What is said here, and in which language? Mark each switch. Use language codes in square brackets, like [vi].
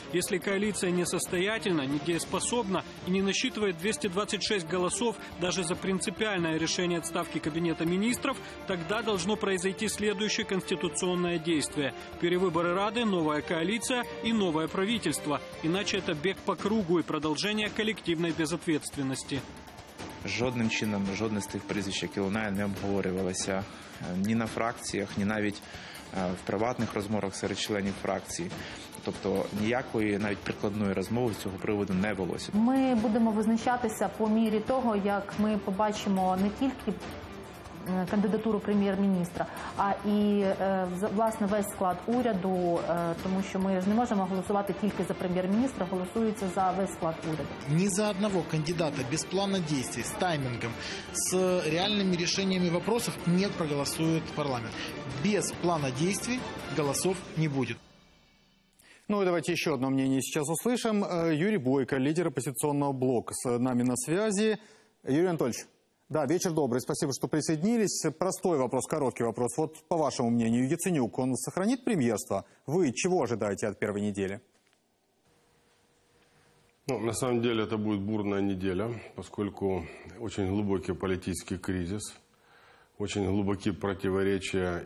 [ru] Если коалиция несостоятельна, недееспособна и не насчитывает 226 голосов даже за принципиальное решение отставки Кабинета министров, тогда должно произойти следующее конституционное действие – перевыборы Рады, новая коалиция и новое правительство. Иначе это бег по кругу и продолжение коллективной безответственности. [uk] Жодним чином жодне з тих прізвищ, які лунає, не обговорювалося ні на фракціях, ні навіть в приватних розмовах серед членів фракції. Тобто ніякої навіть прикладної розмови з цього приводу не велося. Ми будемо визначатися по мірі того, як ми побачимо не тільки кандидатуру прем'єр-міністра, а і, власне, весь склад уряду, тому що ми ж не можемо голосувати тільки за прем'єр-міністра, голосується за весь склад уряду. Ні за одного кандидата без плана дій, з таймінгом, з реальними рішеннями питань не проголосує парламент. Без плана дій голосів не буде. [ru] Ну и давайте [uk] ще одне [ru] мнение сейчас услышим. [uk] Юрій Бойко, лідер опозиційного блоку, з нами на [ru] связи. Юрій Анатольевич. Да, вечер добрый. Спасибо, что присоединились. Простой вопрос, короткий вопрос. Вот по вашему мнению, Яценюк, он сохранит премьерство? Вы чего ожидаете от первой недели? Ну, на самом деле это будет бурная неделя, поскольку очень глубокий политический кризис, очень глубокие противоречия.